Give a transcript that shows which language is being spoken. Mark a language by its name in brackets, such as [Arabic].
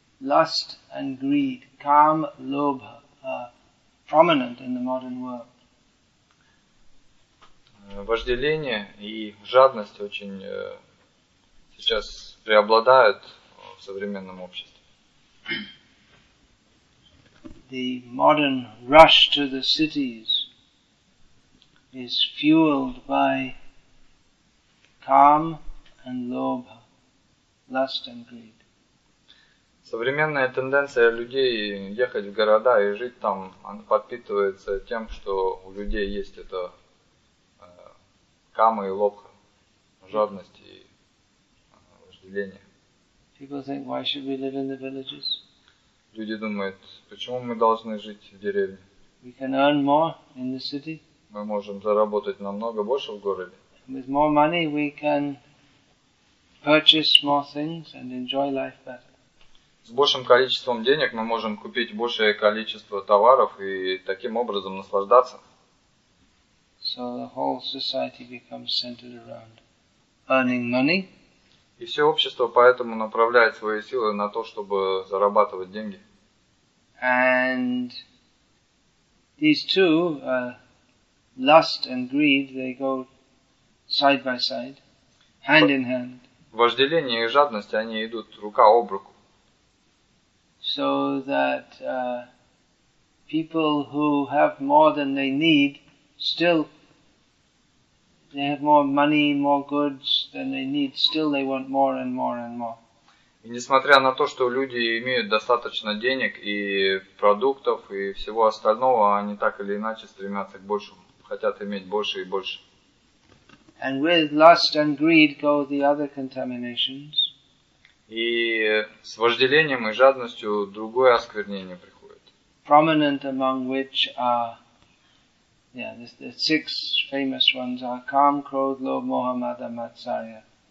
[English] Lust and greed, kam, lobha, are prominent in the modern world. [Russian] Вожделение и жадность очень сейчас преобладают в современном обществе. [English] The modern rush to the cities is fueled by kam and lobha, lust and greed. [Russian] Современная тенденция людей ехать в города и жить там, она подпитывается тем, что у людей есть это кама и лобха, жадность и вожделение. [English] People think, why should we live in the villages? [Russian] Люди думают, почему мы должны жить в деревне? [English] We can earn more in the city. [Russian] Мы можем заработать намного больше в городе. [English] With more money we can purchase more things and enjoy life better. [Russian] С большим количеством денег мы можем купить большее количество товаров и таким образом наслаждаться. [English] So the whole society becomes centered around earning money. [Russian] И все общество поэтому направляет свои силы на то, чтобы зарабатывать деньги. [English] And these two, lust and greed, they go side by side, hand in hand. [Russian] Вожделение и жадность, они идут рука об руку. [English] So that people who have more than they need, still they have more money, more goods than they need, still they want more and more and more. [Russian] И несмотря на то, что люди имеют достаточно денег и продуктов и всего остального, они так или иначе стремятся к большему, хотят иметь больше и больше. [English] And with lust and greed go the other contaminations. [Russian] И с вожделением и жадностью другое осквернение приходит. [English] Prominent among which are, the six famous ones are kam, krodh, lobh, moha, mada, matsarya.